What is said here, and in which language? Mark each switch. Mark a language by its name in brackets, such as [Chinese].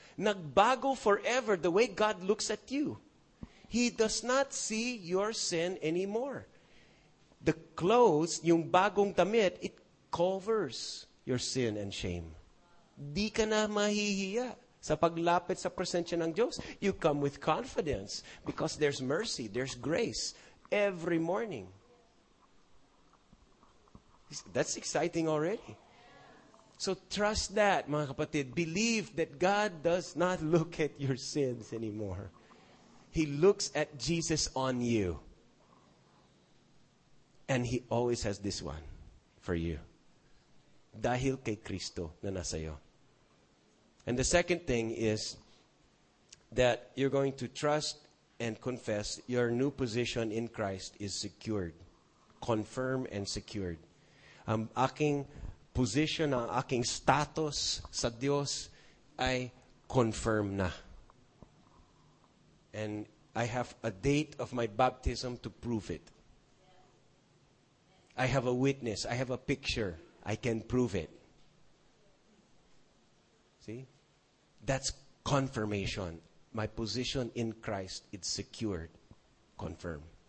[English] nagbago forever the way God looks at you. He does not see your sin anymore. The clothes, [Filipino] yung bagong damit, [English] it covers your sin and shame. [Filipino] Di ka na mahihiya sa paglapit sa presensya ng Diyos. [English] You come with confidence because there's mercy, there's grace every morning. That's exciting already. So trust that, [Filipino] mga kapatid. [English] Believe that God does not look at your sins anymore. He looks at Jesus on you. And He always has this one for you. [Filipino] Dahil kay Kristo na nasa iyo. [English] And the second thing is that you're going to trust and confess your new position in Christ is secured. Confirm and secured. [Filipino] Aking position, ang aking status sa Diyos ay confirm na. [English] And I have a date of my baptism to prove it. I have a witness. I have a picture. I can prove it. See? That's confirmation. My position in Christ is secured. Confirm.